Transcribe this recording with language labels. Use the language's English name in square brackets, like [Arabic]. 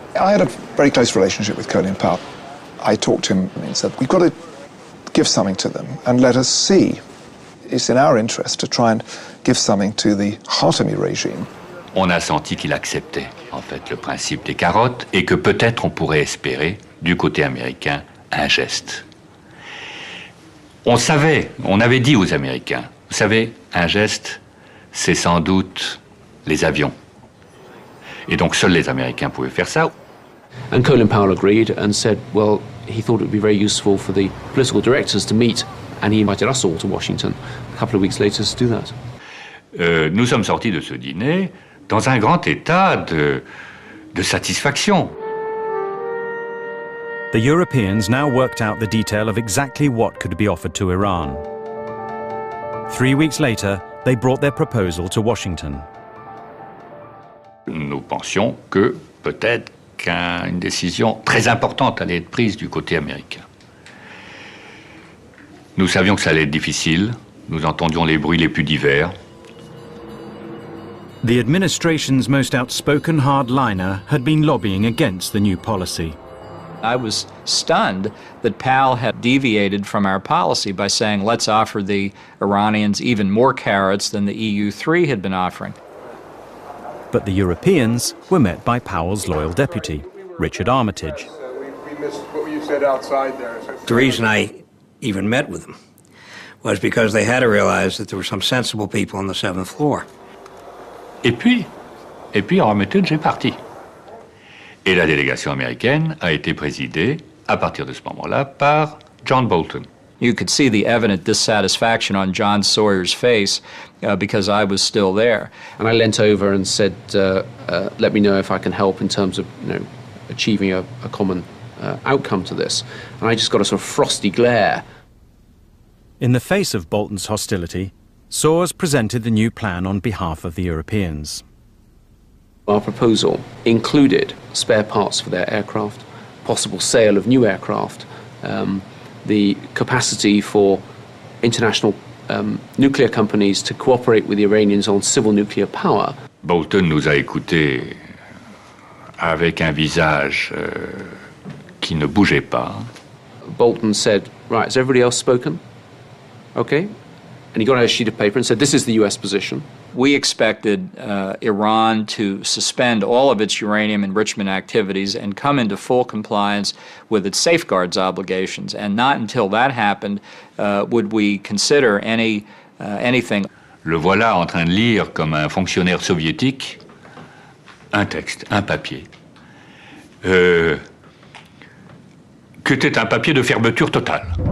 [English] I had a very close relationship with Colin Powell. I talked to him and said, we've got to give something to them and let us see. It's in our interest to try and give something to the Khatami regime. [French] On a senti qu'il acceptait, en fait, le principe des carottes et que peut-être on pourrait espérer, du côté américain, un geste. On savait, on avait dit aux Américains, vous savez, un geste, c'est sans doute les avions. Et donc seuls les Américains pouvaient faire ça. [English] And Colin Powell agreed and said, well, he thought it would be very useful for the political directors to meet, and he invited us all to Washington a couple of weeks later to do that. [French] Nous sommes sortis de ce dîner dans un grand état de satisfaction. [English] The Europeans now worked out the detail of exactly what could be offered to Iran. 3 weeks later, they brought their proposal to Washington. [French] Nous pensions que peut-être qu'une décision très importante allait être prise du côté américain. Nous savions que ça allait être difficile. Nous entendions les bruits les plus divers. [English] The administration's most outspoken hardliner had been lobbying against the new policy. I was stunned that Powell had deviated from our policy by saying, let's offer the Iranians even more carrots than the EU3 had been offering. But the Europeans were met by Powell's loyal deputy, Richard Armitage. We missed what you said outside there. The reason I even met with them was because they had to realize that there were some sensible people on the seventh floor. [French] Et puis Armitage est parti. Et la délégation américaine a été présidée à partir de ce moment-là par John Bolton. [English] You could see the evident dissatisfaction on John Sawyer's face because I was still there. And I leant over and said, let me know if I can help in terms of, achieving a common outcome to this. And I just got a sort of frosty glare. In the face of Bolton's hostility, Soares presented the new plan on behalf of the Europeans. Our proposal included spare parts for their aircraft, possible sale of new aircraft, the capacity for international nuclear companies to cooperate with the Iranians on civil nuclear power. [French] Bolton nous a écoutés avec un visage qui ne bougeait pas. [English] Bolton said, right, has everybody else spoken? Okay. And he got out a sheet of paper and said, this is the U.S. position. We expected Iran to suspend all of its uranium enrichment activities and come into full compliance with its safeguards obligations. And not until that happened would we consider anything. [French] Le voilà en train de lire comme un fonctionnaire soviétique un texte, un papier, qui était un papier de fermeture totale.